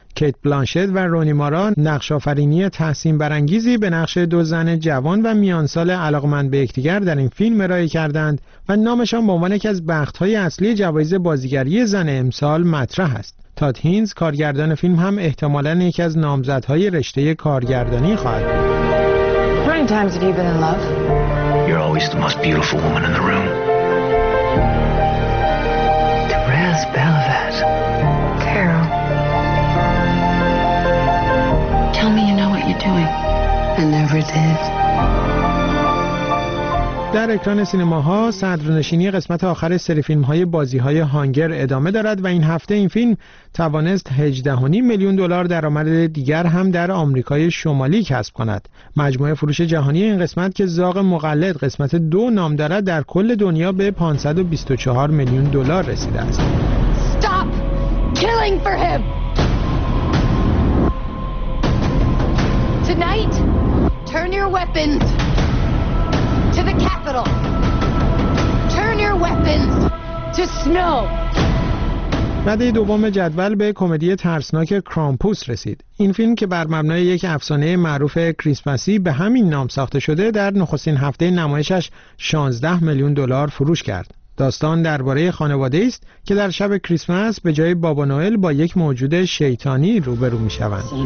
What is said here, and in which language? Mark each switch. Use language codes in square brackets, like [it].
[fa] کیت بلانشت و رونی مارا نقش‌آفرینی تحسین برانگیزی به نقش دو زن جوان و میانسال علاقمند به یکدیگر در این فیلم ارائه کردند و نامشان به عنوان یکی از بخت‌های اصلی جوایز بازیگری زن امسال مطرح است. تات هینز کارگردان فیلم هم احتمالاً یکی از نامزدهای رشته کارگردانی خواهد بود. [en] You're always the most beautiful woman in the room. Therese Belavez. Carol. Tell me you know what you're doing. I never did. [fa] در اکران سینماها صدرنشینی قسمت آخر سری فیلم‌های بازی‌های هانگر ادامه دارد و این هفته این فیلم توانست 18.5 میلیون دلار درآمد دیگر هم در آمریکای شمالی کسب کند. مجموعه فروش جهانی این قسمت که زاغ مقلد قسمت 2 نام دارد در کل دنیا به 524 میلیون دلار رسیده است. [en] Stop killing for him. Tonight, turn your weapons. To the capital. Turn your weapons to snow. [fa] رده دوم جدول به کمدی ترسناک کرامپوس رسید. این فیلم که بر مبنای یک افسانه معروف کریسمسی به همین نام ساخته شده، در نخستین هفته نمایشش 16 میلیون دلار فروش کرد. داستان درباره خانواده است که در شب کریسمس به جای بابا نوئل با یک موجود شیطانی روبرو می شوند.